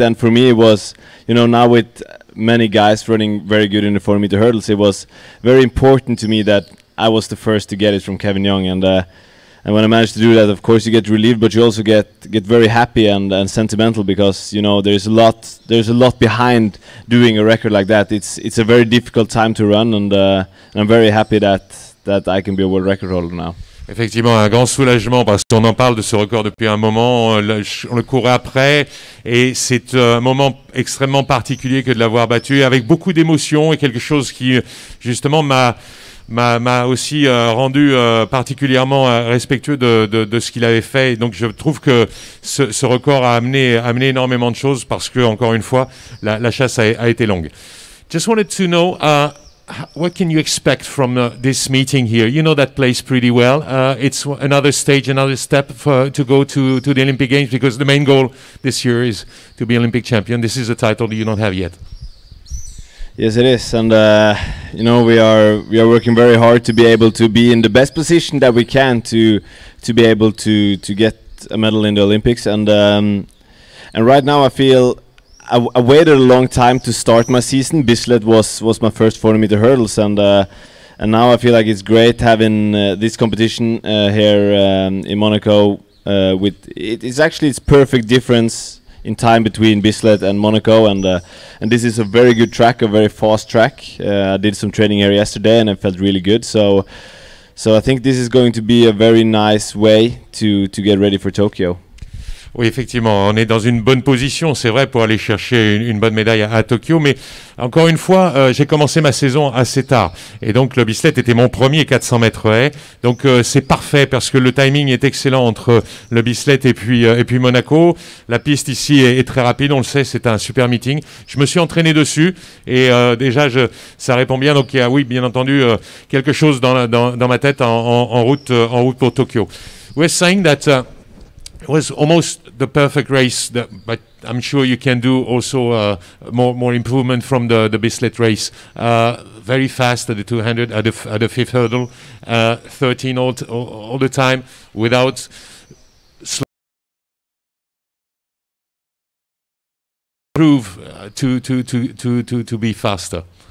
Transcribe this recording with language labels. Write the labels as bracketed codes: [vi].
[en] And for me, it was, you know, now with many guys running very good in the 400-meter hurdles, it was very important to me that I was the first to get it from Kevin Young. And when I managed to do that, of course you get relieved, but you also get very happy and sentimental, because you know there's a lot behind doing a record like that. It's a very difficult time to run, and I'm very happy that I can be a world record holder now. [fr] Effectivement, un grand soulagement, parce qu'on en parle de ce record depuis un moment, on le courait après, et c'est un moment extrêmement particulier que de l'avoir battu, avec beaucoup d'émotions, et quelque chose qui, justement, m'a aussi rendu particulièrement respectueux de ce qu'il avait fait. Et donc je trouve que ce record a amené énormément de choses, parce que, encore une fois, la chasse a été longue. [en] Just wanted to know, what can you expect from this meeting here? You know that place pretty well. It's another stage, another step to go to the Olympic Games, because the main goal this year is to be Olympic champion. This is a title you don't have yet. Yes, it is. And, you know, we are working very hard to be able to be in the best position that we can to be able to get a medal in the Olympics. And right now I feel... I waited a long time to start my season. Bislett was my first 400-meter hurdles, and now I feel like it's great having this competition here in Monaco. It's perfect difference in time between Bislett and Monaco, and this is a very good track, a very fast track. I did some training here yesterday, and it felt really good. So I think this is going to be a very nice way to get ready for Tokyo. [fr] Oui, effectivement, on est dans une bonne position, c'est vrai, pour aller chercher une bonne médaille à Tokyo. Mais encore une fois, j'ai commencé ma saison assez tard. Et donc, le Bislett était mon premier 400 mètres haies. Donc, c'est parfait, parce que le timing est excellent entre le Bislett et puis Monaco. La piste ici est très rapide, on le sait, c'est un super meeting. Je me suis entraîné dessus, et déjà, ça répond bien. Donc, oui, bien entendu, quelque chose dans ma tête en route pour Tokyo. [en] We're saying that... It was almost the perfect race, but I'm sure you can do also more improvement from the Bislett race. Very fast at the 200, at the fifth hurdle, 13 all the time, without improve to be faster.